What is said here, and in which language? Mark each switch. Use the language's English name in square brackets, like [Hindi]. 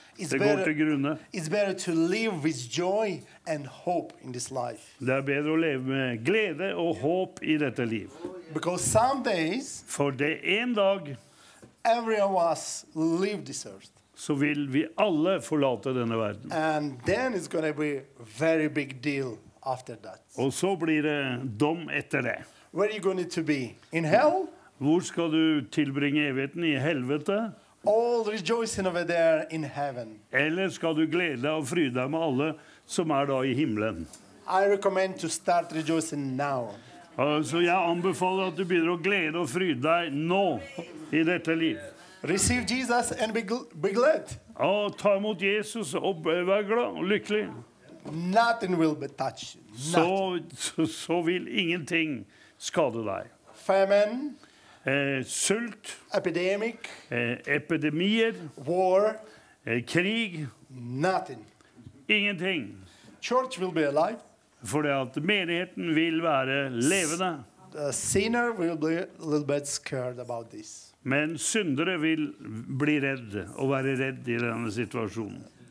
[English] It's better to live with joy and hope in this life. [Norwegian] Det er bedre å leve med glede og håp i dette liv. [English] Because some days, [Norwegian] for det en dag, [English] every of us leave this earth. [Norwegian] Så vil vi alle forlate denne verden. [English] And then it's going to be a very big deal after that. [Norwegian] Og så blir det dom etter det. [English] Where are you going to be? In hell? [Norwegian] Hvor skal du tilbringe evigheten? I helvete? [English] All rejoicing over there in heaven. [Norwegian] Eller skal du glede og fryde deg med alle som er da i himmelen? [English] I recommend to start rejoicing now. [Norwegian] Så jeg anbefaler at du begynner å glede og fryde deg nå i dette liv. [English] Receive Jesus and be glad. [Norwegian] Og ta imot Jesus og vær glad og lykkelig. [English] Nothing will be touched. [Norwegian] Så vil ingenting skade deg. [English] Famine. [Norwegian] Sult, [English] epidemic, [Norwegian] epidemier, [English] war, [Norwegian] krig, [English] nothing. [Norwegian] Ingenting. [English] Church will be alive. [Norwegian] Fordi at menigheten vil være levende. [English] The sinner will be a little bit scared about this. [Norwegian] Men syndere vil bli redd og være redd i denne situasjonen.